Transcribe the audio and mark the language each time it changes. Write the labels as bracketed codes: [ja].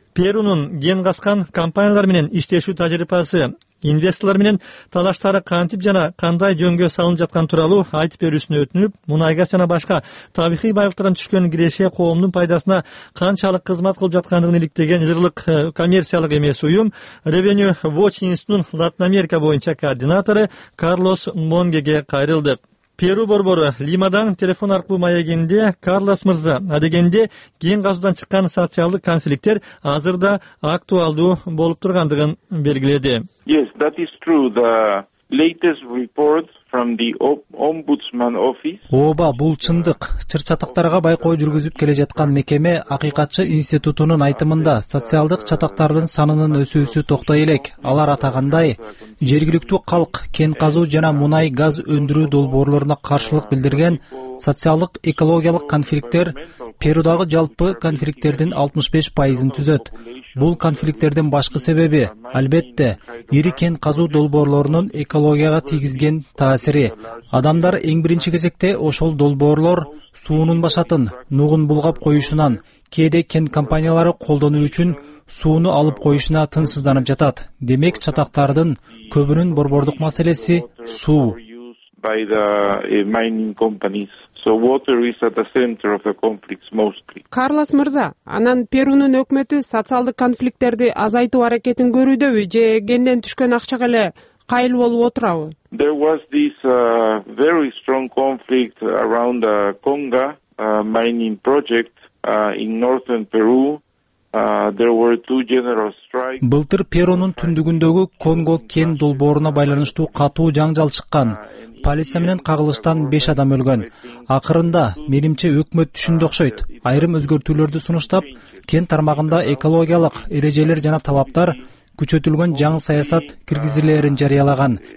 [ky] Перунун ген казган компаниялар менен иштешүү тажрыйбасы, инвесторлор менен талаштары кантип жана кандай жөнгө салынып жаткан тууралуу айтып берүүсүн өтүнүп, мунайгаз жана башка табигый байлыктардан түшкөн киреше коомдун пайдасына канчалык кызмат кылып жаткандыгын иликтеген жырлык коммерциялык эмес уюм Revenue Watch Institute'нун Латын Америка боюнча координатору Карлос Монгеге кайрылдык. Перу борбору Лимадан телефон аркылуу маегинде Карлос мырза адегенде кийин казуудан чыккан социалдык конфликттер азырда актуалдуу болуп тургандыгын белгиледи. [en] Yes, that is true. The latest report from the Ombudsman office. [ky] Ооба, бул чындык. Чыр-чатактарга байкоо жүргүзүп келе жаткан мекеме Акыйкатчы институтунун айтымында социалдык чатактардын санынын өсүүсү токтой элек. Алар атагандай, жергиликтүү калк кен казуу жана мунай газ өндүрүү долбоорлоруна каршылык билдирген социалдык экологиялык конфликттер Перудагы жалпы конфликттердин 65% түзөт. Бул конфликттердин башкы себеби, албетте, ири кен казуу долбоорлорунун экологияга тийгизген таасири. Адамдар эң биринчи кезекте ошол долбоорлор суунун башатын, нугун булгап коюшунан, кээде кен компаниялары колдонуу үчүн сууну алып коюшуна тынсызданып жатат. Демек, чатактардын көбүнүн борбордук маселеси суу. [en] By the mining companies. So water is at the center of the conflicts mostly. [ky] Карлос мырза, анан Перунун өкмөтү социалдык конфликттерди азайтуу аракетин көрүүдөбү же кенден түшкөн акчага эле кайыл болуп отурабы? [en] There was this very strong conflict around the Conga mining project in northern Peru. There were two general strikes. [ky] Былтыр Перунун түндүгүндөгү Конго кен долбооруна байланыштуу катуу жаңжал чыккан. Полиция менен кагылыштан 5 адам өлгөн. Акырында менимче өкмөт түшүндө окшойт. Айрым өзгөртүүлөрдү сунуштап, кен тармагында экологиялык эрежелер жана талаптар күчөтүлгөн жаңы саясат киргизилерин жарыялаган.